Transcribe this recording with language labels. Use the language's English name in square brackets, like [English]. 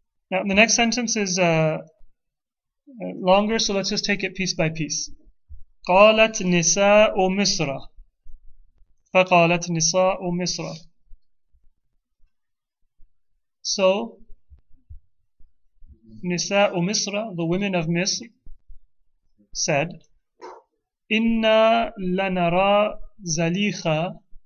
[English] Now, the next sentence is longer, so let's just take it piece by piece. [Arabic] قالت نساء مصر فقالت نساء مصر. [English] So, [Arabic] نساء مصر, [English] the women of Misr, said, [Arabic] إنا لنرى زليخة.